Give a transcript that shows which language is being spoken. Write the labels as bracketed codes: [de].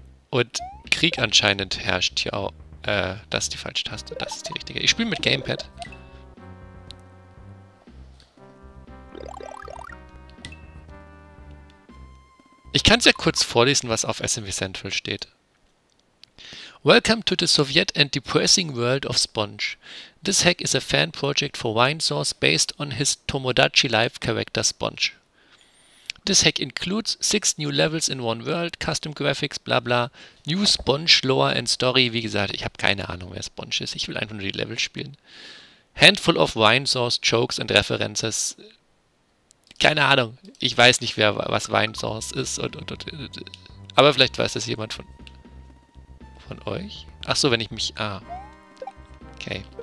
[de] Und Krieg anscheinend herrscht hier auch. Das ist die falsche Taste. Das ist die richtige. Ich spiele mit Gamepad. Ich kann es ja kurz vorlesen, was auf SMV Central steht. [en] Welcome to the Soviet and depressing world of Sponge. This hack is a fan project for Winesauce based on his Tomodachi Life character Sponge. This hack includes 6 new levels in one world, custom graphics, bla bla, new Sponge lore and story. [de] Wie gesagt, ich habe keine Ahnung, wer Sponge ist. Ich will einfach nur die Level spielen. [en] Handful of Winesauce jokes and references. [de] Keine Ahnung. Ich weiß nicht, wer was Winesauce ist aber vielleicht weiß das jemand von euch. Ach so, wenn ich mich. Ah. Okay.